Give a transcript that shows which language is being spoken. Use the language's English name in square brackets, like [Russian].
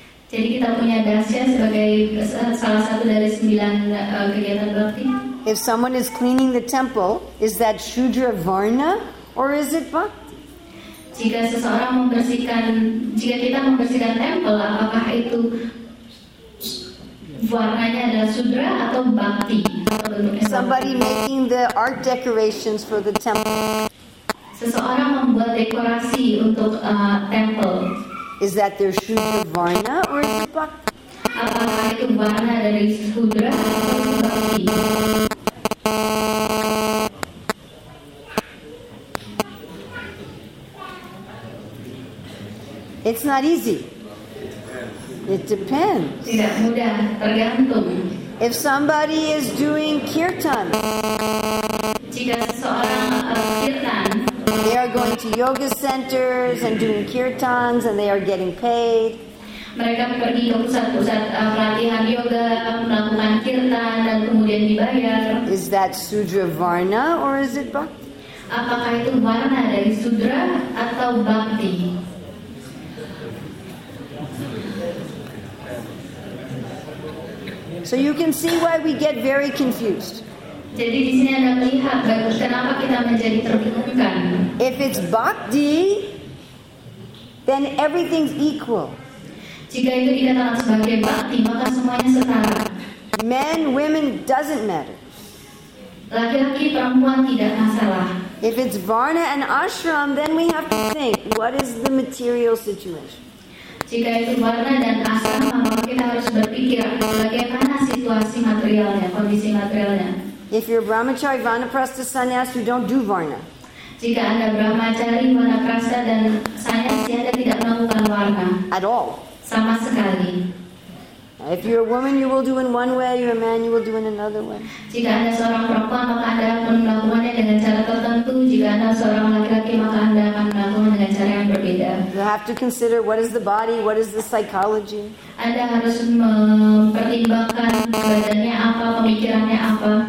[Indonesian] Jadi kita punya dasya sebagai salah satu dari 9 kegiatan bhakti. [English] If someone is cleaning the temple, is that shudra varna or is it bhakti? [Indonesian] Jika kita membersihkan temple, apakah itu warnanya adalah shudra atau bhakti? [English] Somebody making the art decorations for the temple. [Indonesian] Seseorang membuat dekorasi untuk temple. [English] Is that their shudra varna or is it bhakti? [Indonesian] apakah itu warna dari sudra atau bhakti? [English] It's not easy. It depends. [Indonesian] Tidak mudah, tergantung. [English] If somebody is doing kirtan, [Indonesian] jika seseorang kirtan, [English] they are going to yoga centers and doing kirtans and they are getting paid. [Indonesian] Mereka pergi ke pusat-pusat pelatihan yoga, melakukan kirtan dan kemudian dibayar. [English] Is that sudra varna or is it bhakti? [Indonesian] Apakah itu warna dari sudra atau bhakti? [English] So you can see why we get very confused. [Indonesian] Jadi di sini Anda melihat kenapa kita menjadi terbingungkan. [English] If it's bhakti, then everything's equal. [Indonesian] Jika itu dikatakan sebagai bhakti, maka semuanya setara. [English] Men, women, doesn't matter. [Indonesian] Laki-laki, perempuan, tidak masalah. [English] If it's varna and ashram, then we have to think, what is the material situation? [Indonesian] Jika itu varna dan ashram, kita harus berpikir bagaimana situasi materialnya, kondisi materialnya. [English] If you're brahmachari, vanaprastha, sannyas, you don't do varna. [Indonesian] Jika Anda brahmachari, vanaprastha, dan sannyas, Anda tidak melakukan varna. [English] At all. [Indonesian] Sama sekali. [English] If you're a woman, you will do in one way. You're a man, you will do in another way. [Indonesian] Jika Anda seorang perempuan, maka Anda akan melakukannya dengan cara tertentu. Jika Anda seorang laki-laki, maka Anda akan melakukannya dengan cara yang berbeda. [English] You have to consider what is the body, what is the psychology. [Indonesian] Anda harus mempertimbangkan badannya apa, pemikirannya apa.